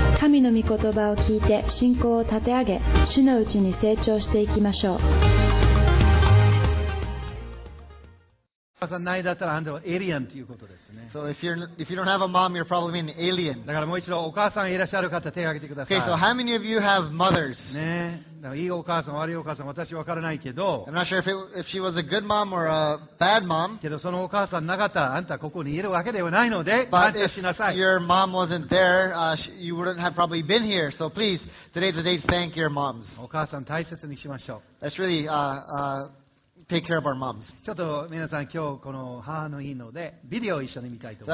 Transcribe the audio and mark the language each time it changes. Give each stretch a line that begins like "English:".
Japanese: 神の御言葉を聞いて信仰を立て上げ、主のうちに成長していきましょう。朝ないだったらあんたはエイリアンということですね。
English: So if you don't have a mom, you're probably an alien.
Japanese: だからもう一度お母さんいらっしゃる方手を挙げてください。
English: Okay, so how many of you have mothers?
Japanese: ね、いいお母さん悪いお母さん私わからないけど。
English: I'm not sure if she was a good mom or a bad mom.
Japanese: けどそのお母さんなかったらあんたここにいるわけではないので感謝しなさい。
English: But if your mom wasn't there, you wouldn't have probably been here. So please, today's the day to thank your moms.
Japanese: お母さん大切にしましょう。
English: That's really take care of our moms.
Japanese: ちょっと皆さん今日この母の日のでビデオを一緒に見たいと思